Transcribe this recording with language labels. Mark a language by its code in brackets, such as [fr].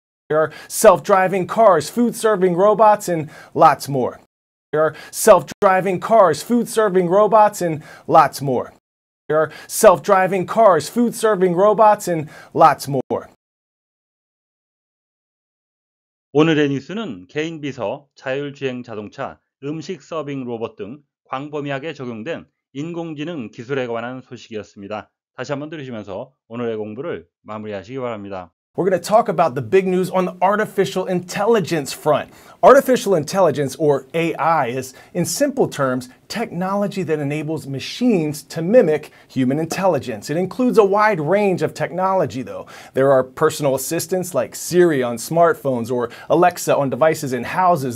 [en] There are self-driving cars, food-serving robots, and lots more. There are self-driving cars, food-serving robots, and lots more. There are self-driving cars, food-serving robots, and lots more. [ko] 오늘의 뉴스는 개인 비서, 자율주행 자동차, 음식 서빙 로봇 등 광범위하게 적용된 인공지능 기술에 관한 소식이었습니다. 다시 한번 들으시면서 오늘의 공부를 마무리하시기 바랍니다. [en] We're going to talk about the big news on the artificial intelligence front. Artificial intelligence, or AI, is, in simple terms, technology that enables machines to mimic human intelligence. It includes a wide range of technology, though. There are personal assistants like Siri on smartphones or Alexa on devices in houses.